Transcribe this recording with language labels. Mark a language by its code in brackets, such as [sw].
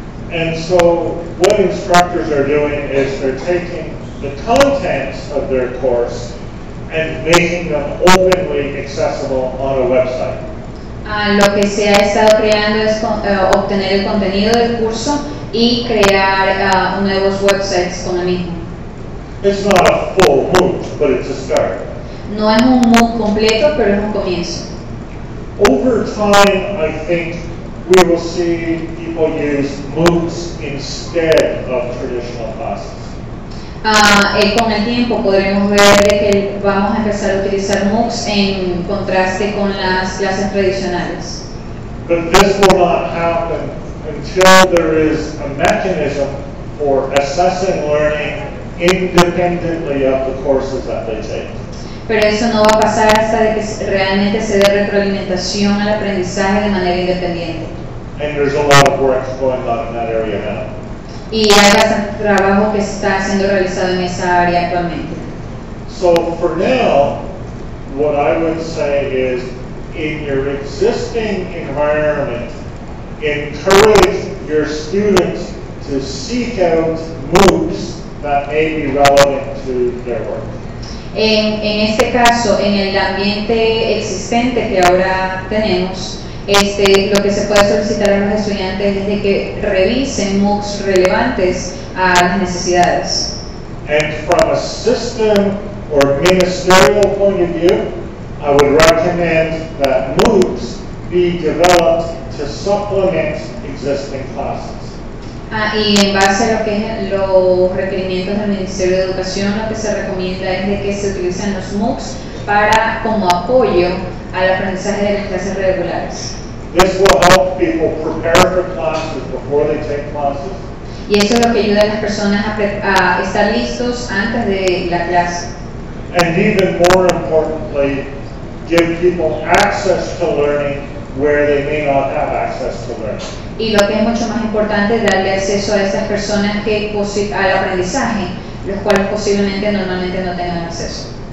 [en] And so what instructors are doing is they're taking the contents of their course and making them openly accessible on a website. [es] Lo que se ha estado creando es obtener el contenido del curso y crear nuevos websites con el mismo. [en] It's not a full MOOC, but it's a start. [es] No es un MOOC completo, pero es un comienzo. [en] Over time, I think we will see people use MOOCs instead of traditional classes. [es] Con el tiempo podremos ver de que vamos a empezar a utilizar MOOCs en contraste con las clases tradicionales. [en] But this will not happen until there is a mechanism for assessing learning independently of the courses that they take. [es] Pero eso no va a pasar hasta de que realmente se dé retroalimentación al aprendizaje de manera independiente. [en] And there's a lot of work going on in that area now. [es] Y hay bastante trabajo que está siendo realizado en esa área actualmente. [en] So for now, what I would say is, in your existing environment, encourage your students to seek out MOOCs that may be relevant to their work. [es] En este caso, en el ambiente existente que ahora tenemos, lo que se puede solicitar a los estudiantes es de que revisen MOOCs relevantes a las necesidades. [en] And from a system or ministerial point of view, I would recommend that MOOCs be developed to supplement existing classes. [es] Y en base a lo que es los requerimientos del Ministerio de Educación, lo que se recomienda es de que se utilicen los MOOCs para como apoyo al aprendizaje de las clases regulares. [en] This will help people prepare for classes before they take classes. [es] Y eso es lo que ayuda a las personas a estar listos antes de la clase. [en] And even more importantly, give people access to learning where they may not have access to learning. [es] Y lo que es mucho más importante es darle acceso a esas personas que al aprendizaje, los cuales posiblemente normalmente no tengan acceso.